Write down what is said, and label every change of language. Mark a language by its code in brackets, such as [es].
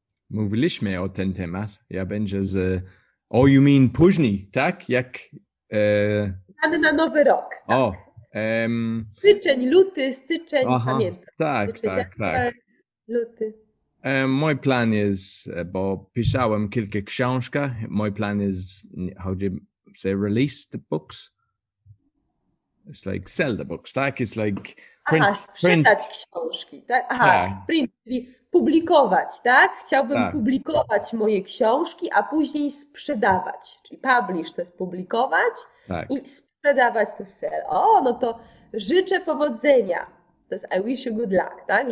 [pl] Mówiliśmy o ten temat. Ja będę z. [en] Oh, you mean [pl] później, tak? Jak. Plany na nowy rok, tak. O. Styczeń, luty, styczeń, Aha, pamiętam. Styczeń, januar, luty. mój plan jest, bo pisałem kilka książek. Mój plan jest, [en] how do you say, release the books? It's like sell the books, [pl] tak? [en] It's like [pl] Aha, sprzedać książki, tak? Aha, Tak. print, czyli publikować, tak? Chciałbym Tak. publikować moje książki, a później sprzedawać. Czyli publish to jest publikować Tak. i sprzedawać [en] to sell. [pl] O, no to życzę powodzenia. To jest [en] I wish you good luck, [pl] tak?